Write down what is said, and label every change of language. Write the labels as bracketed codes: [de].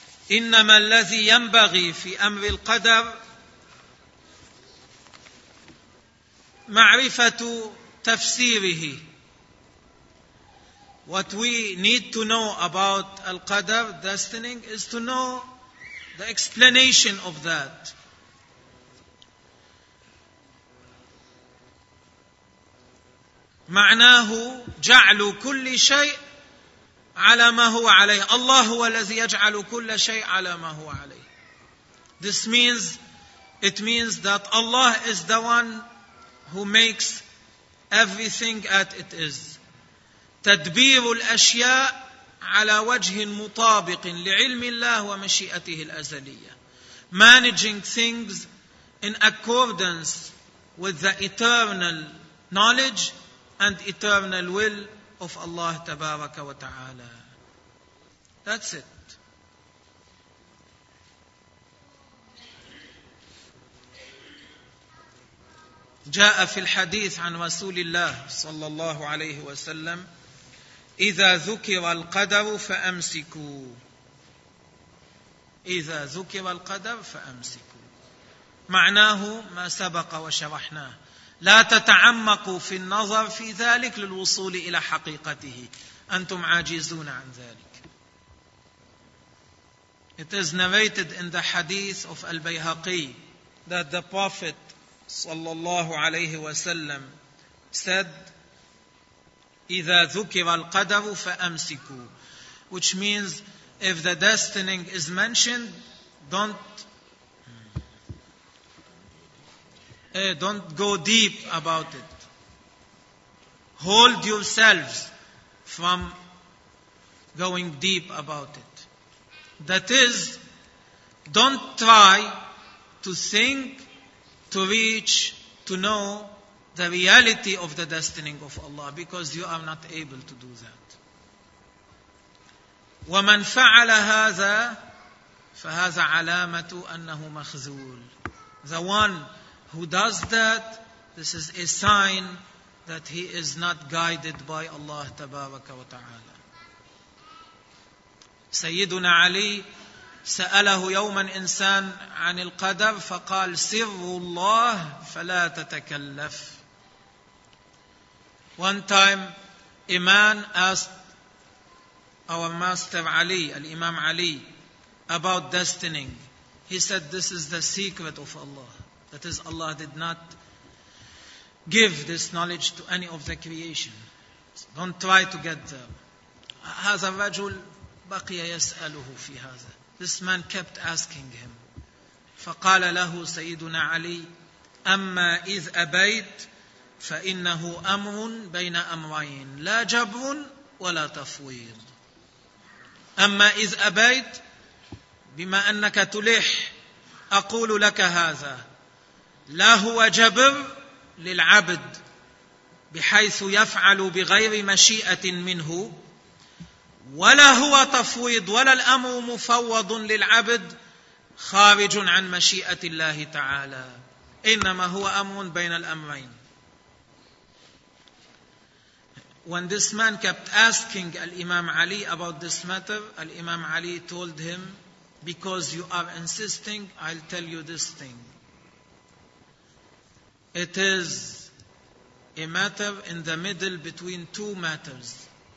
[ar] إنما الذي ينبغي في أمر القدر معرفة تفسيره. [en] What we need to know about al-qadr, destining, is to know the explanation of that. [ar] معناه جعل كل شيء على ما هو عليه. الله هو الذي يجعل كل شيء على ما هو عليه. [en] This means, it means that Allah is the one who makes everything as it is. [ar] تدبير الأشياء على وجه مطابق لعلم الله ومشيئته الأزلية. [en] Managing things in accordance with the eternal knowledge and eternal will of Allah [ar] تبارك وتعالى. [en] That's it. [ar] جاء في الحديث عن رسول الله صلى الله عليه وسلم إذا ذكر القدر فأمسكوا. إذا ذكر القدر فأمسكوا. معناه ما سبق وشرحناه. لا تتعمقوا في النظر في ذلك للوصول إلى حقيقته. أنتم عاجزون عن ذلك. [en] It is narrated in the hadith of Al-Bayhaqi that the Prophet [ar] صلى الله عليه وسلم [en] said [ar] إذا ذكر القدر فأمسكوا, [en] which means if the destiny is mentioned, don't go deep about it. Hold yourselves from going deep about it. That is, don't try to think, to reach, to know the reality of the destiny of Allah, because you are not able to do that. [ar] وَمَنْ فَعَلَ هَذَا فَهَذَا عَلَامَةُ أَنَّهُ مَخْزُولٌ. [en] The one who does that, this is a sign that he is not guided by Allah [ar] تبارك وتعالى. سيدنا علي سأله يوما إنسان عن القدر فقال سر الله فلا تتكلف. [en] One time, a man asked our master Ali, Al-Imam Ali, about destiny. He said, this is the secret of Allah. That is, Allah did not give this knowledge to any of the creation. So don't try to get there. [ar] هذا الرجل بقي يسأله في هذا. [en] This man kept asking him. [ar] فقال له سيدنا علي, أما إذ أبيت فإنه أمر بين أمرين لا جبر ولا تفويض. أما إذ أبيت, بما أنك تلح أقول لك هذا, لا هو جبر للعبد بحيث يفعل بغير مشيئة منه, ولا هو تفويض ولا الأمر مفوض للعبد خارج عن مشيئة الله تعالى, إنما هو أمر بين الأمرين. [en] When this man kept asking Al-Imam Ali about this matter, Al-Imam Ali told him, because you are insisting, I'll tell you this thing. It is a matter in the middle between two matters.